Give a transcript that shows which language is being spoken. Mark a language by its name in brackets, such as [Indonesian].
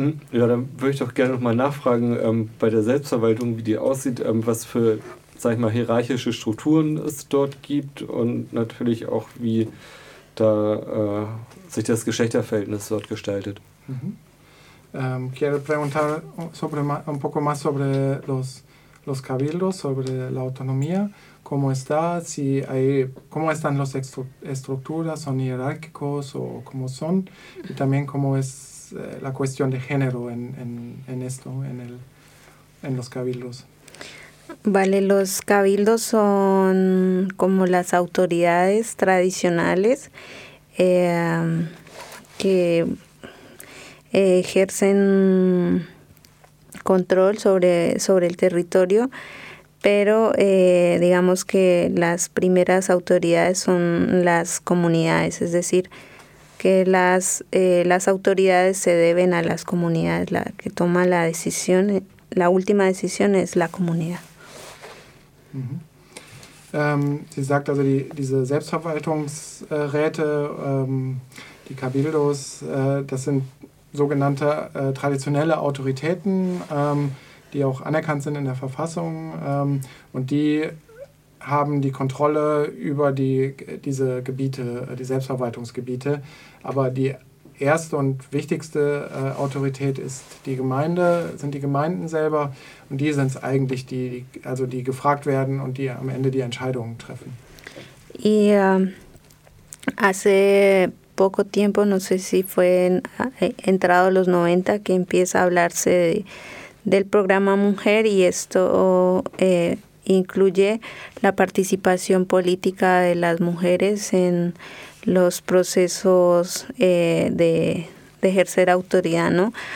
[German] Ja, dann würde ich doch gerne nochmal nachfragen, bei der Selbstverwaltung, wie die aussieht, was für sag ich mal, hierarchische Strukturen es dort gibt und natürlich auch, wie da sich das Geschlechterverhältnis dort gestaltet. Mhm. [Spanish] Quiero preguntar sobre, un poco más sobre los cabildos, sobre la autonomía. ¿Cómo está? Si hay, ¿cómo están las estructuras? ¿Son hierárquicos o cómo son? Y también, ¿cómo es la cuestión de género en esto, en los cabildos? Vale, los cabildos son como las autoridades tradicionales que ejercen control sobre el territorio. Pero digamos que las primeras autoridades son las comunidades, es decir, que las autoridades se deben a las comunidades, la que toma la decisión, la última decisión es la comunidad. [German] Sie sagt also, diese Selbstverwaltungsräte, die Cabildos, das sind sogenannte traditionelle Autoritäten, die auch anerkannt sind in der Verfassung, und die haben die Kontrolle über diese Gebiete, die Selbstverwaltungsgebiete. Aber die erste und wichtigste Autorität ist die Gemeinde, sind die Gemeinden selber, und die sind es eigentlich, die gefragt werden und die am Ende die Entscheidungen treffen. [Spanish] Ja, hace poco tiempo, no sé si fue entrado los 90, que empieza a hablarse del programa Mujer, y esto incluye la participación política de las mujeres en los procesos de ejercer autoridad, ¿no?